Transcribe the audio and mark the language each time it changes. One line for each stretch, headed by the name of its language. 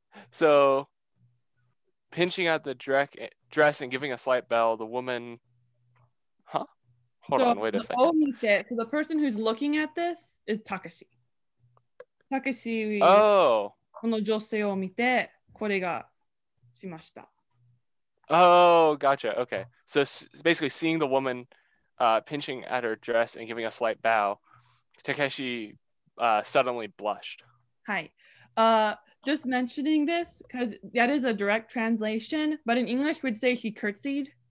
English: So pinching at the dress and giving a slight bow, the woman. Hold on, wait a second. So the person who's looking at this is Takeshi. Takeshi. Oh.
Japanese: この女性を見てこれがしました。
English: Oh, gotcha. Okay. So basically seeing the woman pinching at her dress and giving a slight bow, Takeshi suddenly blushed. Hi. Just mentioning this because that is a direct translation, but in English we'd say he curtsied.